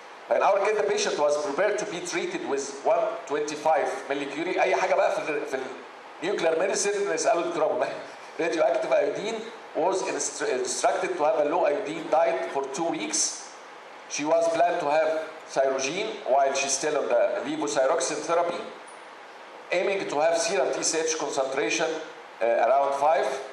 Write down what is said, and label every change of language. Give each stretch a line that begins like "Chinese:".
English: In our case, the patient was prepared to be treated with 125 millicurie.
Arabic: أي حاجة بقى في nuclear medicine نسأل الدكتور أبو مهدي.
English: Radioactive iodine was instructed to have a low iodine diet for 2 weeks. She was planned to have thyrogen while she's still on the levothyroxine therapy, aiming to have serum TSH concentration around 5.